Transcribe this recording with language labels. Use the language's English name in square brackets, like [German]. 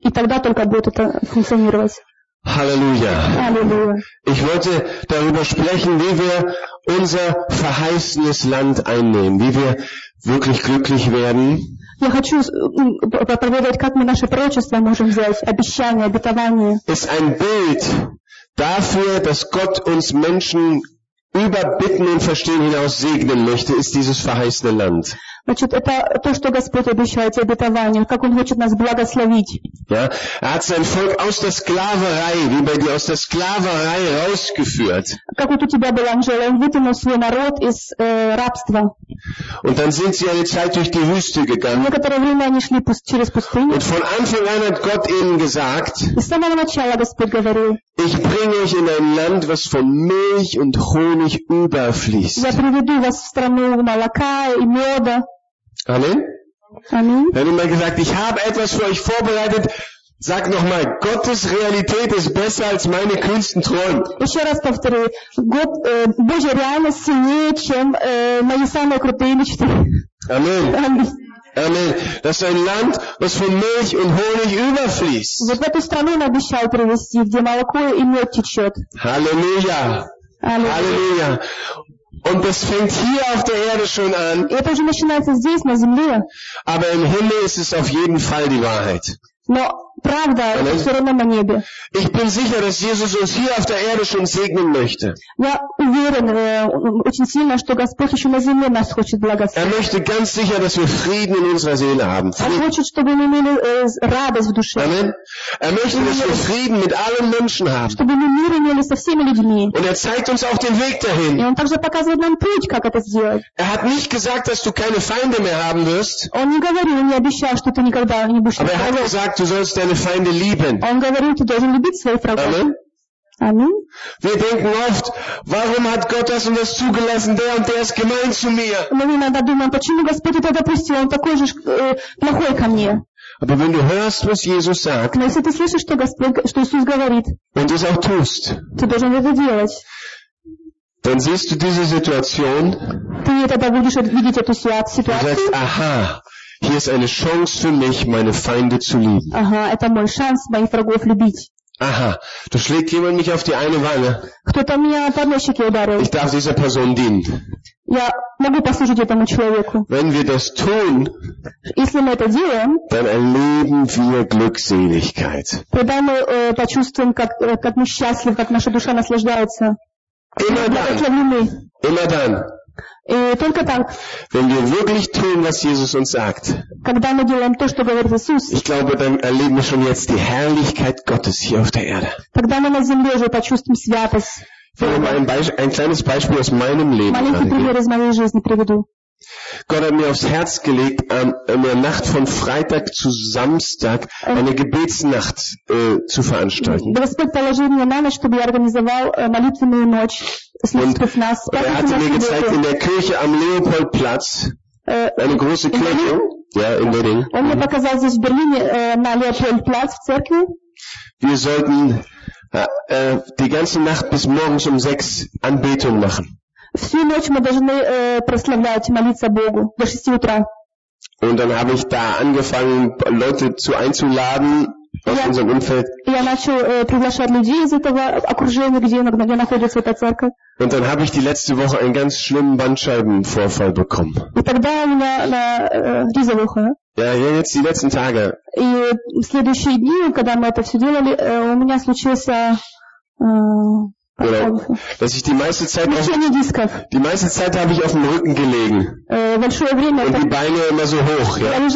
[Russian] И тогда только будет это функционировать. [German] Halleluja. Halleluja. Ich wollte darüber sprechen, wie wir unser verheißenes Land einnehmen, wie wir wirklich glücklich werden. [Russian] Я хочу проповедовать, как мы наше пророчество можем взять, обещание, обетование. [German] Ist ein Bild dafür, dass Gott uns Menschen über Bitten und Verstehen hinaus segnen möchte, ist dieses verheißene Land. [Russian] Значит, это то, что Господь обещает, обетование, как Он хочет нас благословить. [German] Ja, er hat sein Volk aus der Sklaverei, wie bei dir, aus der Sklaverei rausgeführt. [Russian] Как вот у тебя был ангел, Он вытянул свой народ из рабства. [German] Und dann sind sie eine Zeit durch die Wüste gegangen. [Russian] Некоторое время они шли через пустыню. [German] Und von Anfang an hat Gott ihnen gesagt, [Russian] с самого начала Господь говорил, [German] ich bringe euch in ein Land, was von Milch und Honig überfließt. [Russian] Я приведу вас в страну молока и меда. [German] Amen. Amen. Wenn jemand gesagt, ich habe etwas für euch vorbereitet, sag nochmal, Gottes Realität ist besser als meine kühnsten Träume. [Russian] Еще раз повторю, Божья реальность сильнее, чем мои самые крутые мечты. [German] Amen. Amen. Das ist ein Land, was von Milch und Honig überfließt. [Russian] Вот в эту страну он обещал привести, где молоко и мед течет. [German] Halleluja. Halleluja. Und das fängt hier auf der Erde schon an. [Russian] Это уже начинается здесь, на земле. [German] Aber im Himmel ist es auf jeden Fall die Wahrheit. [Russian] Но правда, это все равно на небе. [German] Ich bin sicher, dass Jesus uns hier auf der Erde schon segnen möchte. [Russian] Я уверен очень сильно, что Господь еще на земле нас хочет благословить. [German] Er möchte ganz sicher, dass wir Frieden in unserer Seele haben. [Russian] Он хочет, чтобы мы имели радость в душе. [German] Amen. Er möchte, dass wir Frieden mit allen Menschen haben. [Russian] Чтобы мы мир имели со всеми людьми. [German] Und er zeigt uns auch den Weg dahin. [Russian] И он также показывает нам путь, как это сделать. [German] Er hat nicht gesagt, dass du keine Feinde mehr haben wirst. [Russian] Он не говорил, не обещал, что ты никогда не будешь. [German] Aber er hat gesagt, du sollst deine Feinde lieben. [Russian] Он говорил, ты должен любить своих врагов. [German] Amen. Wir denken oft, warum hat Gott das und das zugelassen, der und der ist gemein zu mir. [Russian] Мы иногда думаем, почему Господь это допустил, он такой же плохой ко мне. [German] Aber wenn du hörst, was Jesus sagt, [Russian] но если ты слышишь, что Господь, что Иисус говорит, [German] und es auch tust, [Russian] ты должен это делать. [German] Dann siehst du diese Situation, [Russian] ты тогда будешь видеть эту ситуацию, [German] und sagst, aha, hier ist eine Chance für mich, meine Feinde zu lieben. [Russian] Aha, это мой шанс моих врагов любить. [German] Aha, du schlägst jemand mich auf die eine Wange. [Russian] Кто-то меня по носике ударил. [German] Ich darf dieser Person dienen. [Russian] Я могу послужить этому человеку. [German] Wenn wir das tun, [Russian] если мы это делаем, [German] dann erleben wir Glückseligkeit. [Russian] Тогда мы почувствуем, как мы счастливы, как наша душа наслаждается. [German] Immer dann. [Russian] И только так. [German] Wenn wir wirklich tun, was Jesus uns sagt. [Russian] Когда мы делаем то, что говорит Иисус. [German] Ich glaube, dann erleben wir schon jetzt die Herrlichkeit Gottes hier auf der Erde. [Russian] Тогда мы на земле уже почувствуем святость. [German] Ich will ein kleines Beispiel aus meinem Leben. [Russian] Маленький пример из моей жизни приведу. [German] Gott hat mir aufs Herz gelegt, in der Nacht von Freitag zu Samstag eine Gebetsnacht zu veranstalten. [Russian] Господь положил мне на ночь, чтобы я организовал молитвенную ночь. [German] Und er hatte mir gezeigt, in der Kirche am Leopoldplatz, eine große Kirche, ja, in Berlin. [Russian] Он мне показал здесь в Берлине на Леопольдплац в церкви. [German] Wir sollten die ganze Nacht bis morgens um 6 Anbetung machen. [Russian] Всю ночь мы должны прославлять, молиться Богу до 6 утра. [German] Und dann habe ich da angefangen, Leute zu einzuladen aus unserem Umfeld. [Russian] Я начал приглашать людей из этого окружения, где находится эта церковь. [German] Und dann habe ich die letzte Woche einen ganz schlimmen Bandscheibenvorfall bekommen. [Russian] И тогда у меня на [German] diese Woche. Ja, jetzt die letzten Tage. [Russian] И в следующие дни, когда мы это все делали, у меня случился [German] Oder, dass ich die meiste Zeit habe ich auf dem Rücken gelegen. Und die Beine immer so hoch, ja.